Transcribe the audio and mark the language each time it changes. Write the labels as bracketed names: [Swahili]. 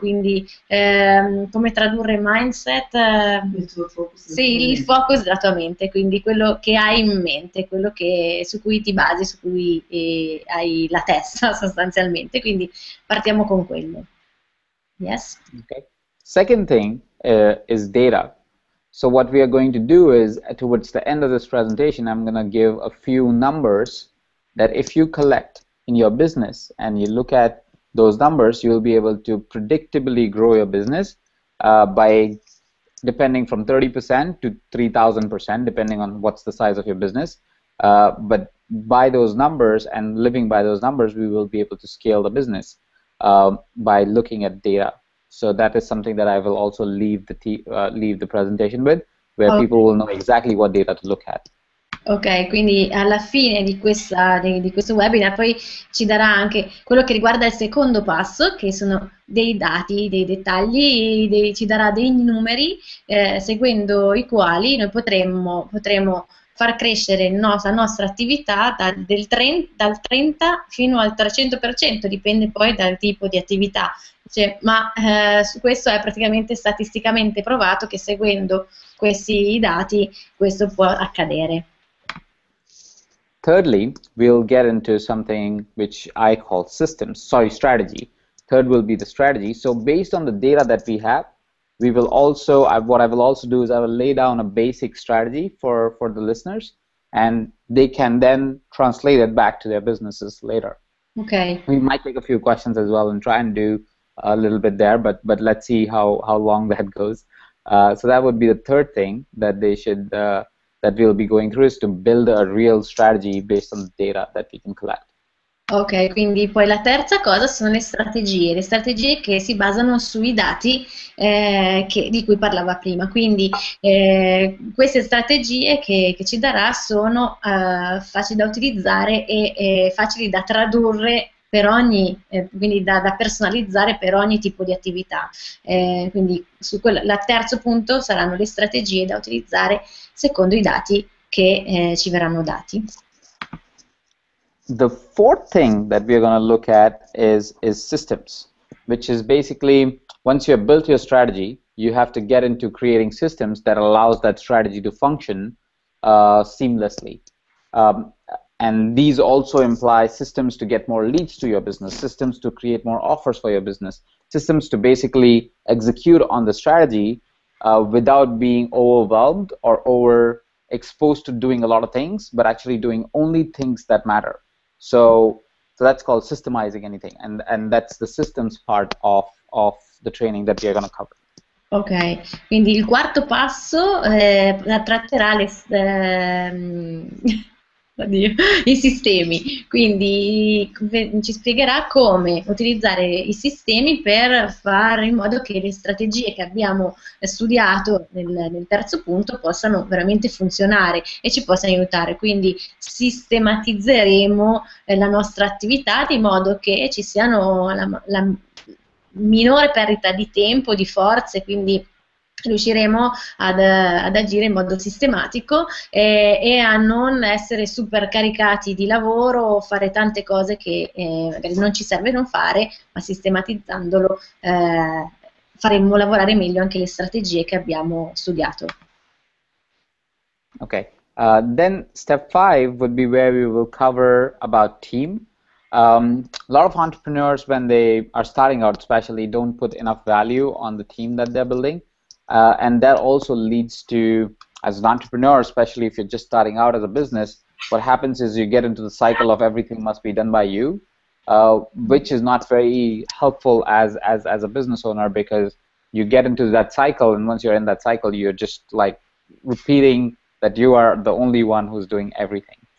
[Italian] Quindi come tradurre mindset? Il tuo focus. Sì, il focus della tua mente, quindi quello che hai in mente, quello che, su cui ti basi, su cui hai la testa sostanzialmente, quindi partiamo con quello. [English] Yes. Okay. Second thing is data. So what we are going to do is, towards the end of this presentation, I'm going to give a few numbers that if you collect in your business and you look at those numbers, you will be able to predictably grow your business by depending from 30% to 3,000%, depending on what's the size of your business. But by those numbers and living by those numbers, we will be able to scale the business by looking at data. So that is something that I will also leave the presentation with, where okay. people will know exactly what data to look at. [Italian] Ok, quindi alla fine di questo webinar poi ci darà anche quello che riguarda il secondo passo, che sono dei dati, dei dettagli, ci darà dei numeri seguendo i quali noi potremmo far crescere la nostra attività dal 30 fino al 300%, dipende poi dal tipo di attività. Cioè, ma questo è praticamente statisticamente provato, che seguendo questi dati questo può accadere. [English] Thirdly, we'll get into something which I call strategy. Third will be the strategy. So based on the data that we have, we will also, what I will also do is I will lay down a basic strategy for the listeners, and they can then translate it back to their businesses later. Okay. We might take a few questions as well and try and do a little bit there, but let's see how long that goes. So that would be the third thing that they should that we'll be going through, is to build a real strategy based on the data that we can collect. [Italian] Ok, quindi poi la terza cosa sono le strategie che si basano sui dati di cui parlava prima. Quindi queste strategie che ci darà sono facili da utilizzare e facili da tradurre per ogni, quindi da personalizzare per ogni tipo di attività. Quindi su quello, la terzo punto saranno le strategie da utilizzare secondo i dati che ci verranno dati. [English] The fourth thing that we're going to look at is systems, which is basically, once you have built your strategy, you have to get into creating systems that allows that strategy to function seamlessly. And these also imply systems to get more leads to your business, systems to create more offers for your business, systems to basically execute on the strategy without being overwhelmed or overexposed to doing a lot of things, but actually doing only things that matter. So that's called systemizing anything, and that's the systems part of the training that we are going to cover. [Italian] Ok, quindi il quarto passo tratterà i sistemi, quindi ci spiegherà come utilizzare i sistemi per fare in modo che le strategie che abbiamo studiato nel terzo punto possano veramente funzionare e ci possano aiutare, quindi sistematizzeremo la nostra attività di modo che ci siano la minore perdita di tempo, di forze, quindi riusciremo ad agire in modo sistematico e a non essere super caricati di lavoro o fare tante cose che magari non ci serve non fare, ma sistematizzandolo faremo lavorare meglio anche le strategie che abbiamo studiato. [English] Ok, then step 5 would be where we will cover about team. A lot of entrepreneurs, when they are starting out especially, don't put enough value on the team that they're building. And that also leads to, as an entrepreneur, especially if you're just starting out as a business, what happens is you get into the cycle of everything must be done by you, which is not very helpful as a business owner, because you get into that cycle, and once you're in that cycle, you're just like repeating that you are the only one who's doing everything.